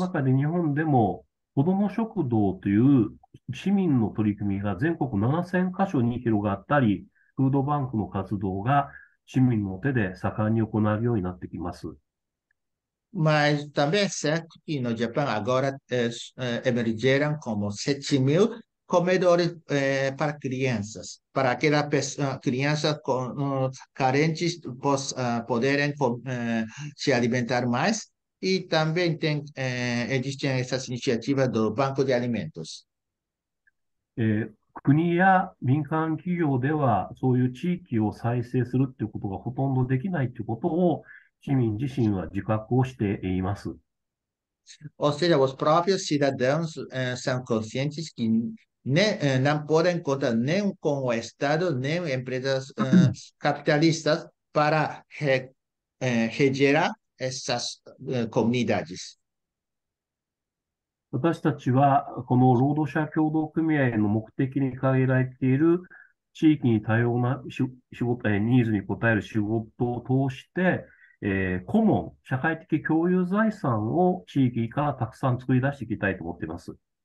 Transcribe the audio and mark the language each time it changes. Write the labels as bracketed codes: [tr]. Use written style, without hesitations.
[ja] 中で日本でも、子ども食堂という市民の取り組みが全国7000箇所に広がったり、フードバンクの活動が市民の手で盛んに行われるようになってきます。 [pt] Mas também é certo que no Japão agora emergiram como 7 mil comedores para crianças, para que as crianças carentes poderem se alimentar mais. E também existem essas iniciativas do Banco de Alimentos. [ja] 国や民間企業では、そういう地域を再生するということがほとんどできないということを、市民自身は自覚をしています。 [pt] Ou seja, os próprios cidadãos são conscientes que não podem contar nem com o Estado, nem empresas capitalistas para regenerar essas comunidades. [ja] 私たちは、この労働者協同組合の目的に掲げられている地域に多様な仕事、ニーズに応える仕事を通して、顧問、社会的共有財産を地域からたくさん作り出していきたいと思っています。